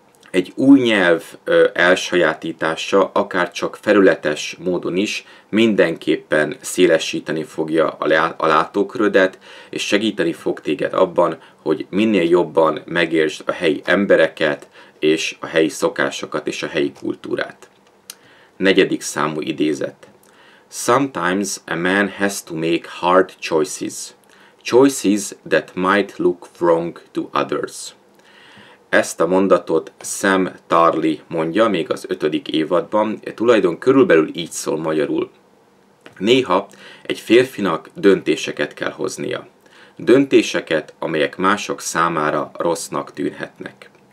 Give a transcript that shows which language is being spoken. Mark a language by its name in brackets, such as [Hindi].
[Hungarian] Egy új nyelv elsajátítása, akár csak felületes módon is, mindenképpen szélesíteni fogja a látókörödet, és segíteni fog téged abban, hogy minél jobban megértsd a helyi embereket, és a helyi szokásokat, és a helyi kultúrát. Negyedik számú idézet. [English] Sometimes a man has to make hard choices. Choices that might look wrong to others. [Hungarian] Ezt a mondatot Sam Tarly mondja még az 5. évadban, tulajdon körülbelül így szól magyarul. Néha egy férfinak döntéseket kell hoznia. Döntéseket, amelyek mások számára rossznak tűnhetnek.